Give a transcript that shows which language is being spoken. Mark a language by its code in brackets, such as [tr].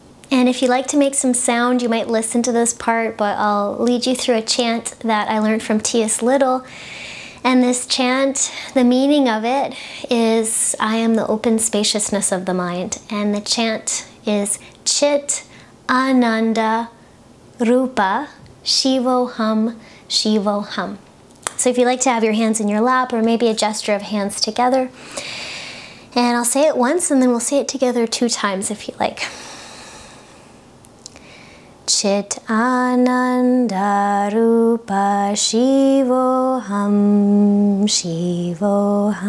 [en] And if you like to make some sound, you might listen to this part, but I'll lead you through a chant that I learned from T.S. Little. And this chant, the meaning of it is, I am the open spaciousness of the mind. And the chant is, [sa] Chit Ananda Rupa Shivoham Shivoham. [en] So if you like to have your hands in your lap, or maybe a gesture of hands together. And I'll say it once, and then we'll say it together two times if you like. [sa] Chit Ananda Rupa Shivoham Shivoham.